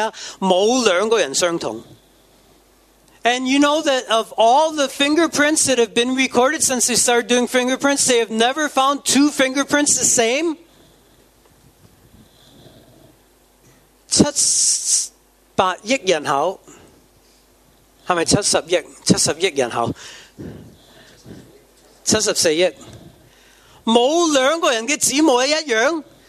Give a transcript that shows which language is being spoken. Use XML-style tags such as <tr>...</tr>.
<zh>你的指模和世界上所有其他人暂时在有指模记录到现在没有两个人相同。</zh> <en>And you know that of all the fingerprints that have been recorded since they started doing fingerprints, they have never found two fingerprints the same?</en> <zh>七十亿人口，是不是七十亿人口？ 74亿没有两个人的指模一样。</zh>